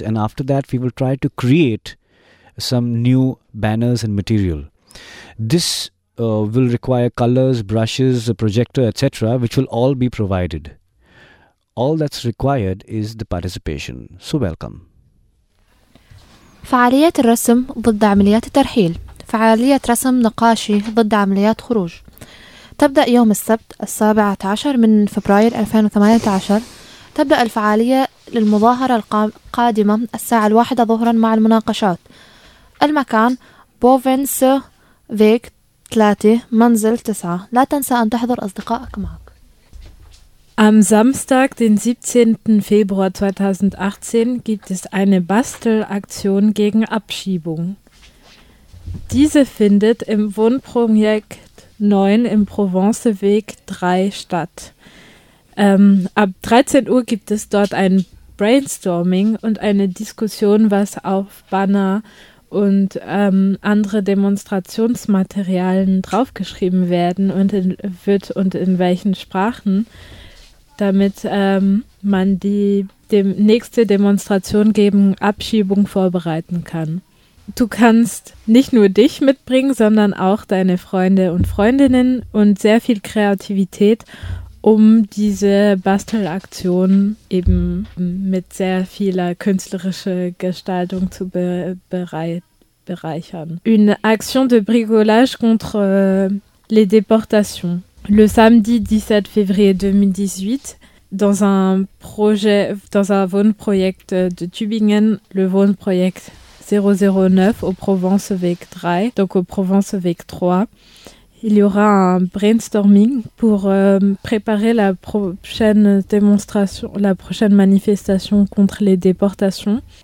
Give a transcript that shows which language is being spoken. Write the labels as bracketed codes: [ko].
[en] And after that, we will try to create some new banners and material. This will require colors, brushes, a projector, etc., which will all be provided. All that's required is the participation. So welcome. [ar] فعاليات الرسم ضد عمليات الترحيل. فعاليات رسم نقاشي ضد عمليات خروج. تبدأ يوم السبت 17 من فبراير 2018. تبدأ الفعالية للمظاهرة القادمة الساعة 1 ظهرا مع المناقشات. المكان بوفنسويغ 3 منزل 9. لا تنسى أن تحضر أصدقائك معك. [de] Am Samstag, den 17. Februar 2018, gibt es eine Bastelaktion gegen Abschiebung. Diese findet im Wohnprojekt 9 im Provenzweg 3 statt. Ab 13 Uhr gibt es dort ein Brainstorming und eine Diskussion, was auf Banner und andere Demonstrationsmaterialien draufgeschrieben werden und in welchen Sprachen, damit man die nächste Demonstration gegen Abschiebung vorbereiten kann. Du kannst nicht nur dich mitbringen, sondern auch deine Freunde und Freundinnen und sehr viel Kreativität, um diese Bastelaktion eben mit sehr vieler künstlerischer Gestaltung zu bereichern. [fr] Une action de bricolage contre les déportations. Le samedi 17 février 2018, dans un projet, dans un Wohnprojekt de Tübingen, le Wohnprojekt 009 au Provenzweg 3, donc au Provenzweg 3, il y aura un brainstorming pour préparer la prochaine démonstration, la prochaine manifestation contre les déportations.